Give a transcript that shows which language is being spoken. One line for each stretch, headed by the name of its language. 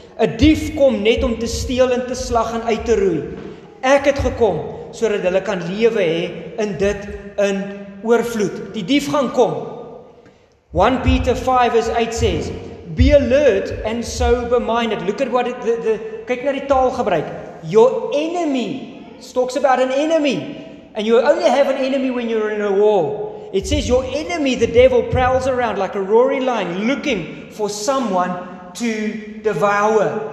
Afrikaans: 'N dief kom net om te steel en te slag en uit te roei. Ek het gekom sodat hulle kan lewe hê in dit in oorvloed. Die dief gaan kom.
English: 1 Peter 5 verse 8 says, be alert and sober minded. Look at what the
Afrikaans: kyk na die taalgebruik.
English: Your enemy talks about an enemy. And you only have an enemy when you're in a war. It says your enemy, the devil, prowls around like a roaring lion looking for someone to devour.